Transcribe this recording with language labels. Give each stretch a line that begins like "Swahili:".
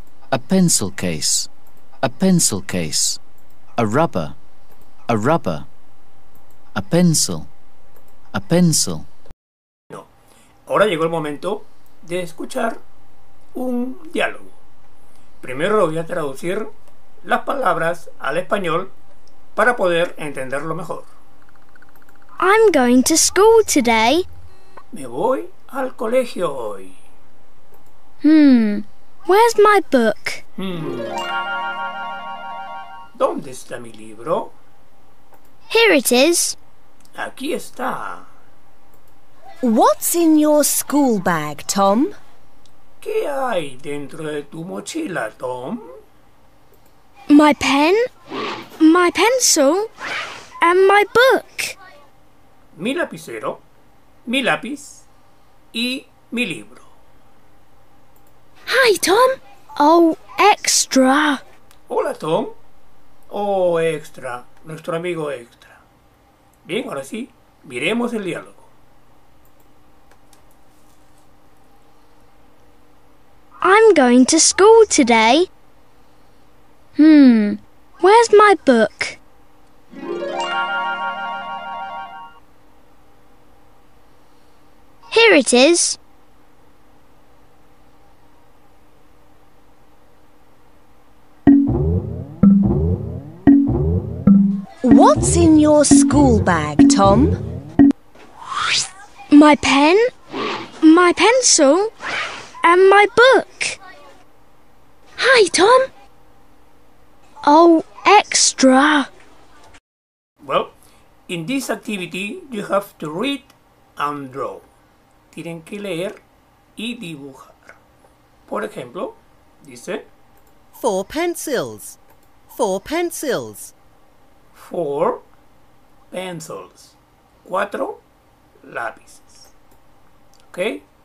English: A pencil case. A pencil case. A rubber. A rubber. A pencil. A pencil. No.
Spanish: Ahora llegó el momento de escuchar un diálogo. Primero voy a traducir las palabras al español para poder entenderlo mejor.
English: I'm going to school today.
Spanish: Me voy al colegio hoy.
English: Hmm, where's my book?
Spanish: ¿Dónde está mi libro?
English: Here it is.
Spanish: Aquí está.
English: What's in your school bag, Tom?
Spanish: ¿Qué hay dentro de tu mochila, Tom?
English: My pen, my pencil, and my book.
Spanish: Mi lapicero, mi lápiz y mi libro.
English: Hi, Tom. Oh, extra.
Spanish: Hola, Tom. Oh, extra. Nuestro amigo extra. Bien, ahora sí, miremos el diálogo.
English: I'm going to school today. Where's my book? Here it is. What's in your school bag, Tom? My pen, my pencil, and my book. Hi, Tom. Oh, extra. Well, in this activity, you have to read and draw.
Spanish: Tienen que leer y dibujar. Por ejemplo, dice...
English: Four pencils. Four pencils. Four pencils.
Spanish: Cuatro lápices.
English: Okay?